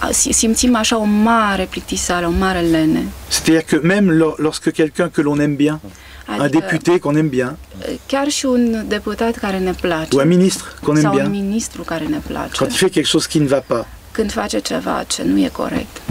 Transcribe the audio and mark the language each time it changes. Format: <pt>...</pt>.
<ro>Simțim așa o mare plictisală, o mare lene.</ro> <fr>C'est-à-dire que même lorsque quelqu'un que l'on aime bien, un député qu'on aime bien,</fr> <ro>chiar și un deputat care ne place,</ro> <fr>ou un ministre qu'on aime bien,</fr> <ro>sau un ministru care ne place,</ro> <fr>quand il fait quelque chose qui ne va pas,</fr> <ro>când face ceva ce nu e corect,</ro>